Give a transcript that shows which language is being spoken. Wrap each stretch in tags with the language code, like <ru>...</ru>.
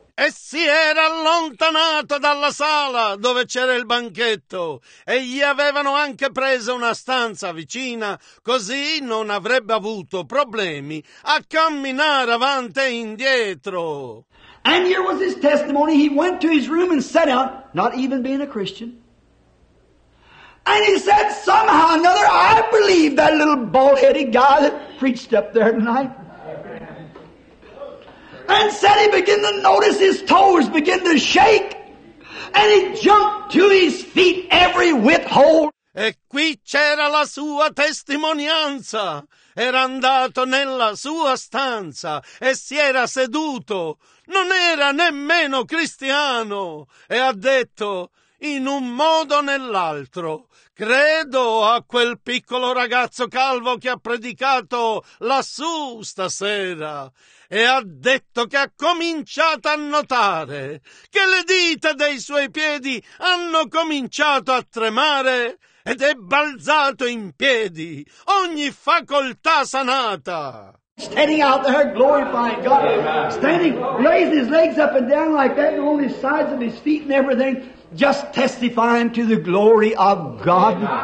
<it>E si era allontanato dalla sala dove c'era il banchetto, e gli avevano anche preso una stanza vicina, così non avrebbe avuto problemi a camminare avanti e indietro.</it> <en>And here was his testimony. He went to his room and sat down, not even being a Christian. And he said, somehow or another, I believe that little bald-headed guy that preached up there tonight. And said he began to notice his toes begin to shake, and he jumped to his feet every whip hole.</en> <it>E qui c'era la sua testimonianza. Era andato nella sua stanza e si era seduto. Non era nemmeno cristiano. E ha detto, in un modo o nell'altro, credo a quel piccolo ragazzo calvo che ha predicato lassù stasera. E ha detto che ha cominciato a notare che le dita dei suoi piedi hanno cominciato a tremare ed è balzato in piedi, ogni facoltà sanata.</it> <en>Standing out there glorifying God. Standing, raising his legs up and down like that, and all the sides of his feet and everything, just testifying to the glory of God.</en>